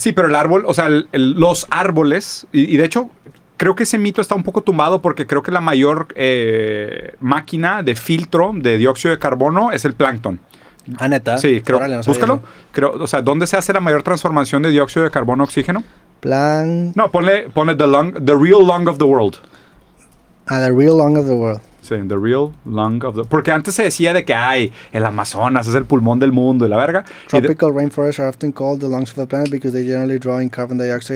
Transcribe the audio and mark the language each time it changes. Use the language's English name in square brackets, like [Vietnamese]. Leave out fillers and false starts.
[Spanish] Sí, pero el árbol, o sea, los árboles, y de hecho, creo que ese mito está un poco tumbado porque creo que la mayor máquina de filtro de dióxido de carbono es el plancton. Ah, ¿neta? Sí, creo. Órale, no, búscalo. Creo, o sea, ¿dónde se hace la mayor transformación de dióxido de carbono a oxígeno? No, ponle [English] the real lung of the world. The real lung of the world. Sí, the real lung of the... [Spanish] Porque antes se decía de que, ay, el Amazonas es el pulmón del mundo y la verga. [English] Tropical rainforests are often called the lungs of the planet because they generally draw in carbon dioxide.